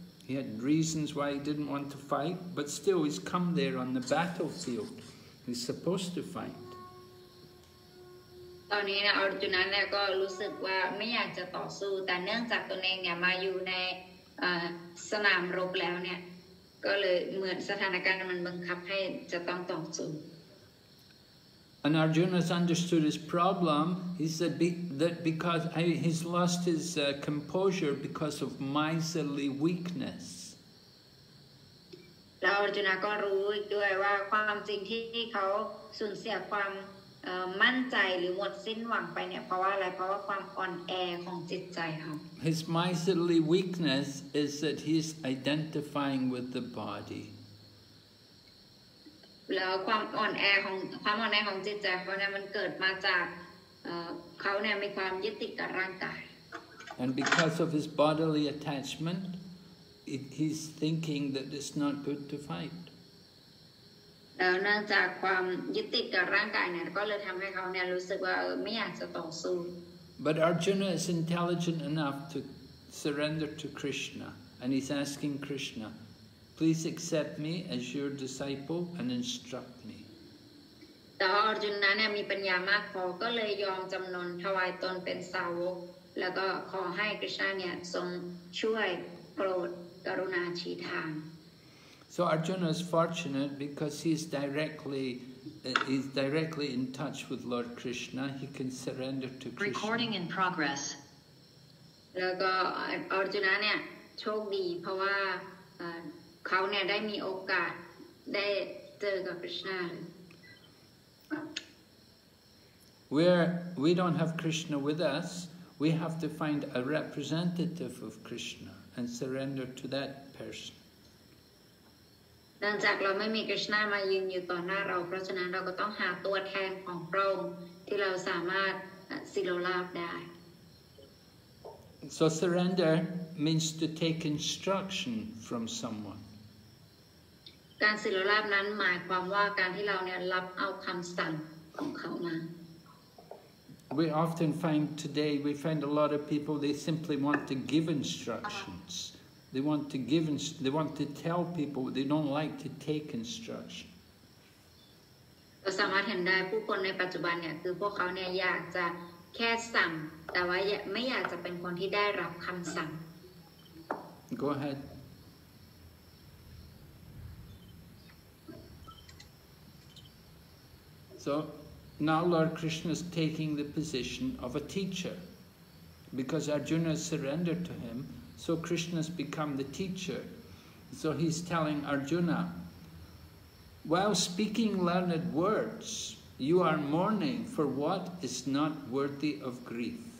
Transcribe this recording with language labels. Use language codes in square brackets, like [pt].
[en] He had reasons why he didn't want to fight, but still he's come there on the battlefield. He's supposed to fight. [th] ตอนนี้นะ Arjuna เนี่ยก็รู้สึกว่าไม่อยากจะต่อสู้แต่เนื่องจากตนเองเนี่ยมาอยู่ในสนามรบแล้วเนี่ยก็เลยเหมือนสถานการณ์มันบังคับให้จะต้องต่อสู้ [en] And Arjuna has understood his problem. He said that because he's lost his composure because of miserly weakness. [th] แล้ว Arjuna ก็รู้ด้วยว่าความจริงที่เขาสูญเสียความมั่นใจหรือหมดสิ้นหวังไปเนี่ยเพราะว่าอะไรเพราะว่าความอ่อนแอของจิตใจครับ [en] His miserly weakness is that he's identifying with the body. [th] แล้วความอ่อนแอของจิตใจเพราะนั้นมันเกิดมาจากเขาเนี่ยมีความยึดติดกับร่างกาย [en] And because of his bodily attachment he's thinking that it's not good to fight [th] แล้วเนื่องจากความยึดติดกับร่างกายเนี่ยก็เลยทำให้เขาเนี่ยรู้สึกว่าไม่อยากจะต่อสู้ [en] But Arjuna is intelligent enough to surrender to Krishna and he's asking KrishnaPlease accept me as your disciple and instruct me. [th] Arjuna เนี่ยมีปัญญามากพอก็เลยยอมจำนนถวายตนเป็นสาวกแล้วก็ขอให้ Krishna เนี่ยทรงช่วยโปรดกรุณาชี้ทาง [en] So Arjuna is fortunate because he's directly in touch with Lord Krishna. He can surrender to Krishna. Recording in progress. [th] แล้วก็ Arjuna เนี่ยโชคดีเพราะว่าเขาเนี่ยได้มีโอกาสได้เจอกับ Krishna [en] We don't have Krishna with us. We have to find a representative of Krishna and surrender to that person. [th] เนื่องจากเราไม่มี Krishna มายืนอยู่ต่อหน้าเราเพราะฉะนั้นเราก็ต้องหาตัวแทนของพระองค์ที่เราสามารถสิโลลาภได้ [en] So surrender means to take instruction from someone. [th] การสิโลลาภนั้นหมายความว่าการที่เราเนี่ยรับเอาคำสั่งของเขามา [en] We often find today, we find a lot of people, they simply want to give instructions. They want to tell people, they don't like to take instruction. [th] เราสามารถเห็นได้ผู้คนในปัจจุบันเนี่ยคือพวกเขาเนี่ยอยากจะแค่สั่งแต่ว่าไม่อยากจะเป็นคนที่ได้รับคำสั่ง [en] Go ahead So now Lord Krishna is taking the position of a teacher because Arjuna surrendered to him so Krishna has become the teacher so he's telling Arjuna while speaking learned words you are mourning for what is not worthy of grief